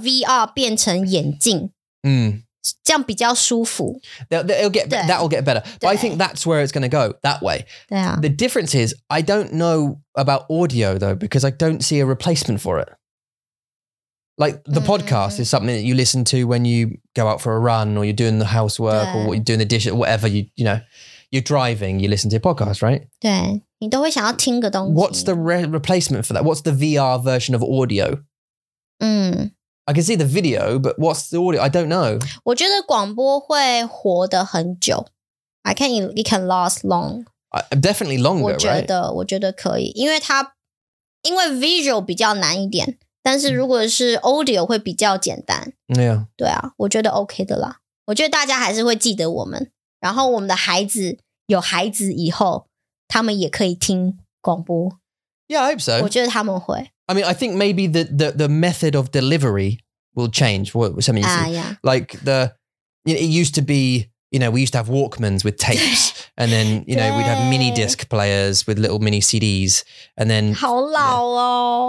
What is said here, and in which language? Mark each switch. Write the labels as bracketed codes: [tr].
[zh] 他们需要把VR变成眼镜, 这样比较舒服. [en] That'll get better. But I think that's where it's going to go, that way. Yeah. The difference is, I don't know about audio though, because I don't see a replacement for it. Like the podcast is something that you listen to when you go out for a run or you're doing the housework or you're doing the dishes, whatever, you know. You're driving, you listen to a podcast, right? [zh] 对,你都会想要听个东西。 [en] What's the replacement for that? What's the VR version of audio? I can see the video, but what's the audio? I don't know. [zh] 我觉得广播会活得很久。 [en] It can last long. Definitely longer, [zh] 我觉得, [en] right? [zh] 我觉得可以, 因为 visual比较难一点, 但是如果是audio会比较简单。对啊。对啊, 我觉得OK的啦。我觉得大家还是会记得我们。然后我们的孩子有孩子以后，他们也可以听广播。 [en] Yeah, I hope so. [zh] 我觉得他们会。 [en] I mean, I think maybe the method of delivery will change. What some of you see. Yeah. Like it used to be, you know, we used to have Walkmans with tapes and then, you know, we'd have mini disc players with little mini CDs and then, [zh] 好老哦。